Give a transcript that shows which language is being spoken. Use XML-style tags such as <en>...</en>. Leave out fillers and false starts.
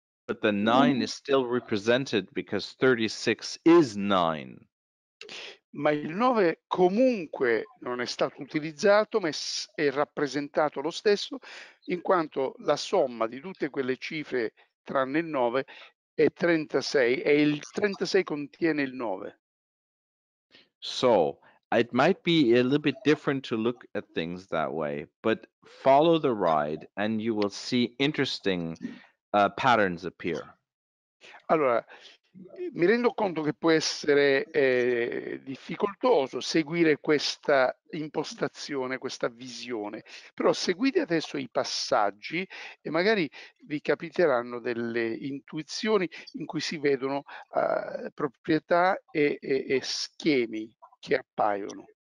<en>But the 9 is still represented because 36 is 9.</en> <it>Ma il 9 comunque non è stato utilizzato, ma è rappresentato lo stesso, in quanto la somma di tutte quelle cifre tranne il 9 è 36, e il 36 contiene il 9.</it> <en>So, it might be a little bit different to look at things that way, but follow the ride and you will see interesting patterns appear.</en> <it>Allora, mi rendo conto che può essere difficoltoso seguire questa impostazione, questa visione, però seguite adesso i passaggi e magari vi capiteranno delle intuizioni in cui si vedono proprietà e schemi che appaiono.</it>